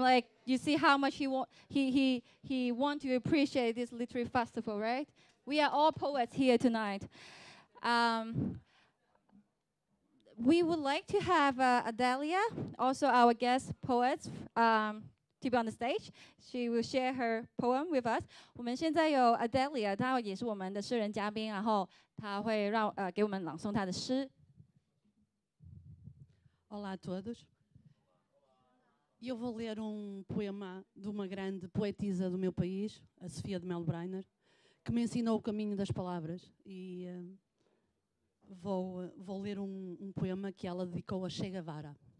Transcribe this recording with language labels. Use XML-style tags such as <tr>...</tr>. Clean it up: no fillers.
<en>Like, you see how much he want to appreciate this literary festival, right? We are all poets here tonight. We would like to have Adelia, also our guest poet, to be on the stage. She will share her poem with us.</en> <zh>我们现在有 Adelia, 她也是我们的诗人嘉宾，然后她会让给我们朗诵她的诗。</zh> <pt>Olá a todos. Eu vou ler poema de uma grande poetisa do meu país, a Sofia de Melo Brainer. Que me ensinou o caminho das palavras e vou ler um poema que ela dedicou a Che Guevara.</pt>